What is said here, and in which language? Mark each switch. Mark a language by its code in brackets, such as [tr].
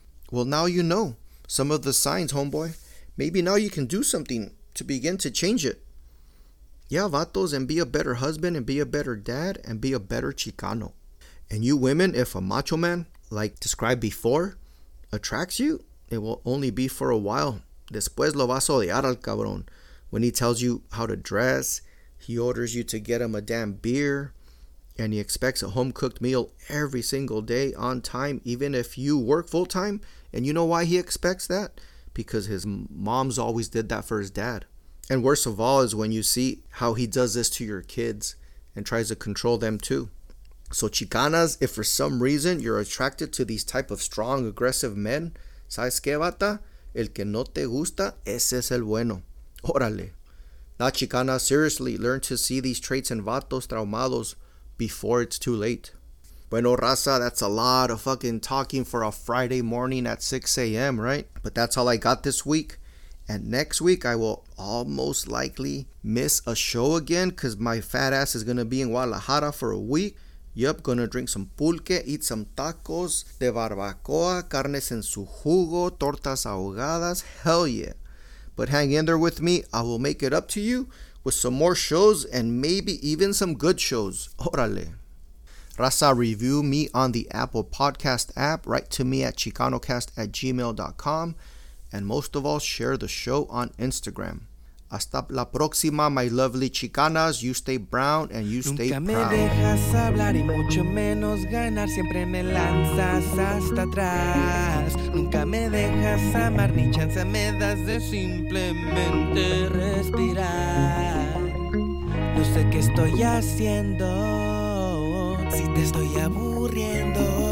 [en] Well, now you know some of the signs, homeboy. Maybe now you can do something to begin to change it. Yeah, vatos, and be a better husband and be a better dad and be a better Chicano. And you women, if a macho man, like described before, attracts you, it will only be for a while. [es] Después lo vas a odiar al cabrón. [en] When he tells you how to dress, he orders you to get him a damn beer, and he expects a home-cooked meal every single day on time, even if you work full-time. And you know why he expects that? Because his mom's always did that for his dad. And worst of all is when you see how he does this to your kids and tries to control them too. So Chicanas, if for some reason you're attracted to these type of strong, aggressive men, [es] ¿sabes qué, bata? El que no te gusta, ese es el bueno. Órale. [en] Now, Chicanas, seriously, learn to see these traits in vatos traumados before it's too late. Bueno, Raza, that's a lot of fucking talking for a Friday morning at 6 a.m., right? But that's all I got this week. And next week, I will almost likely miss a show again because my fat ass is going to be in Guadalajara for a week. Yep, going to drink some pulque, eat some tacos de barbacoa, carnes en su jugo, tortas ahogadas. Hell yeah. But hang in there with me. I will make it up to you with some more shows and maybe even some good shows. Órale. Raza, review me on the Apple Podcast app. Write to me at chicanocast@gmail.com. And most of all, share the show on Instagram. [es] Hasta la próxima, [en] my lovely Chicanas. You stay brown and you stay proud. [es] Nunca me dejas hablar y mucho menos ganar. Siempre me lanzas hasta atrás. Nunca me dejas amar ni chance me das de simplemente respirar. No sé qué estoy haciendo si te estoy aburriendo.